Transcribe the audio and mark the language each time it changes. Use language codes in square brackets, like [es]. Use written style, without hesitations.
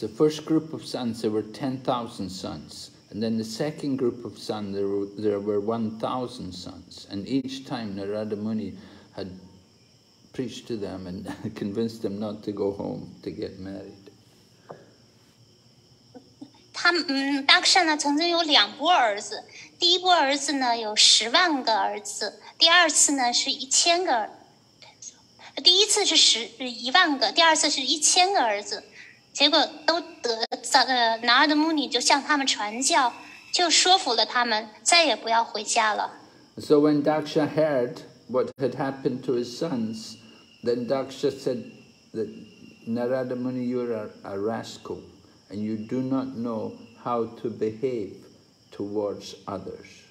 [en] The first group of sons, there were 10,000 sons. And then the second group of sons, there were 1,000 sons. And each time Narada Muni had preached to them and convinced them not to go home to get married. [zh] 达克夏呢，曾经有两波儿子，第一波儿子呢有十万个儿子，第二次呢是一千个儿子，第一次是十一万个，第二次是一千个儿子，结果都得，Narada Muni就向他们传教，就说服了他们再也不要回家了。 [en] So when Daksha heard what had happened to his sons, then Daksha said that Narada Muni, you're a rascal. And you do not know how to behave towards others.